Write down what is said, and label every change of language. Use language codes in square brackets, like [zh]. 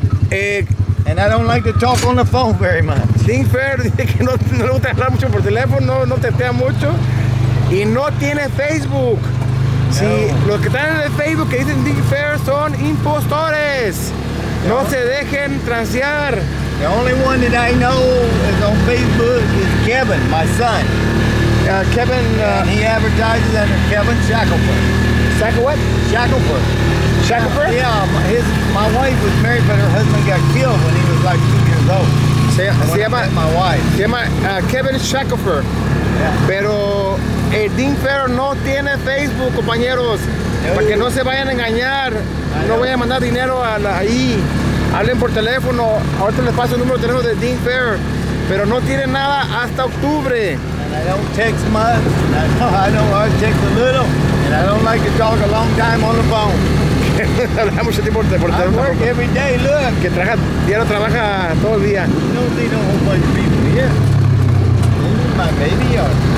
[en] And I don't like to talk on the phone very much. [es] Sin fair, dice que no le gusta hablar mucho por teléfono, no textea mucho. Y no tiene Facebook. Si los que están en el Facebook que dicen Sin fair son impostores. No se dejen transear. [en] The only one that I know is on Facebook is Kevin, my son. Kevin, he advertises under Kevin Shackelford. Shackelford? Shackelford. Shackelford? Yeah, my wife was married, but her husband got killed when he was like 2 years old. My wife. [es] Se llama Kevin Shackelford. [en] Yeah. [es] Pero el Dean Ferro no tiene Facebook, compañeros. No. Para que no se vayan a engañar. No vayan a mandar dinero ahí. Hablen por teléfono. Ahorita les paso el número de teléfono de Dean Ferro. Pero no tiene nada hasta octubre. [en] I don't text much, and I text a little, and I don't like to talk a long time on the phone. [es] Mucho tiempo por [en] I work [es] tampoco. [en] Every day, look. [es] Que trabaja todo el día. [en] You don't see no whole bunch of people here. This is my baby yard.